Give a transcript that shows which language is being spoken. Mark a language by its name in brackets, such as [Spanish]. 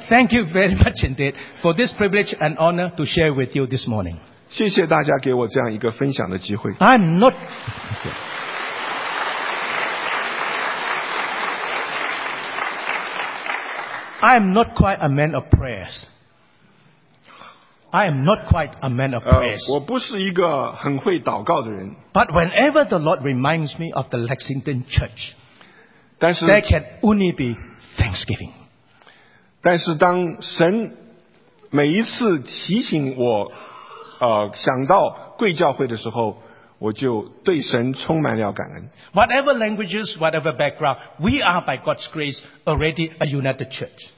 [English] thank you very much indeed for this privilege and honor to share with you this morning. [Chinese] 谢谢大家给我这样一个分享的机会。I'm [English] not. I am not quite a man of prayers. I am not quite a man of prayers. [Chinese] 我不是一个很会祷告的人。 [English] But whenever the Lord reminds me of the Lexington Church, [Chinese] 但是 [English] there can only be thanksgiving. [Chinese] 但是当神每一次提醒我，想到贵教会的时候，我就对神充满了感恩。 [English] Whatever languages, whatever background, we are by God's grace already a united church.